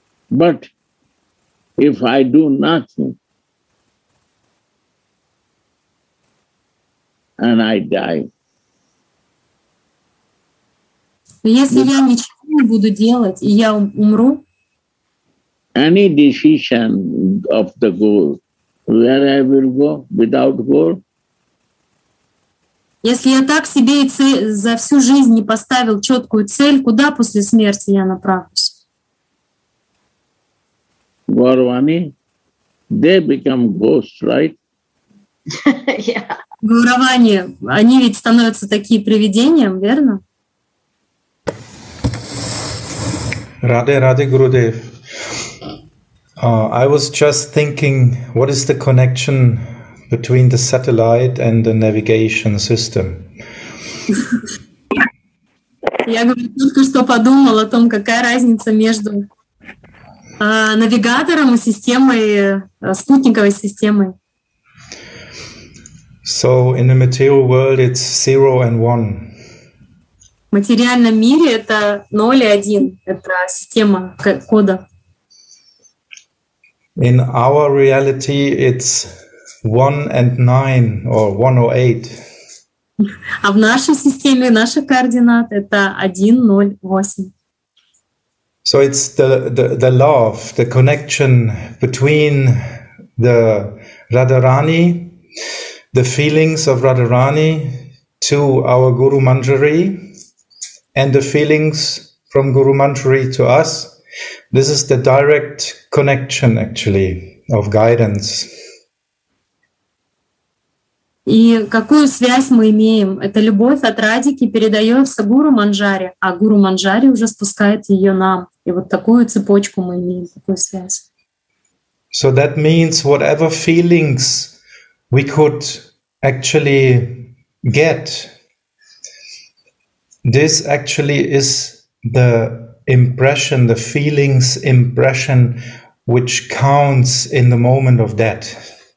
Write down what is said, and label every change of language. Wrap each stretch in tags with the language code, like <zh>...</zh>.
<en>But if I do nothing and I die.</en> <ru>Если я ничего не буду делать, и я умру,</ru> <en>any decision of the goal, where I will go without goal?</en> <ru>Если я так себе и за всю жизнь не поставил четкую цель, куда после смерти я направлюсь?</ru> <en>Gauravani, they become ghosts, right? Yeah.</en> <ru>Gauravani, они ведь становятся такие привидением, верно?</ru> <en>Radhe, Radhe Gurudev. I was just thinking, what is the connection between the satellite and the navigation system?</en> <ru>Я только что подумал о том, какая разница между навигатором и системой, спутниковой системой.</ru> <en>So in the material world it's zero and one.</en> <ru>В материальном мире это 0 и 1, это система кода.</ru> <en>In our reality it's 1 and 9 or 108.</en> <ru>А в нашей системе наши координаты — это 1, 0, 8.</ru> <en>So it's the love, the connection between the Radharani, the feelings of Radharani to our Guru Manjari. And the feelings from Guru Manjari to us, this is the direct connection, actually, of guidance.</en> <ru>И какую связь мы имеем? Это любовь от Радики передается Гуру Манджари, а Гуру Манджари уже спускает ее нам. И вот такую цепочку мы имеем, такую связь.</ru> <en>So that means whatever feelings we could actually get, this actually is the impression, the feelings impression, which counts in the moment of death.</en>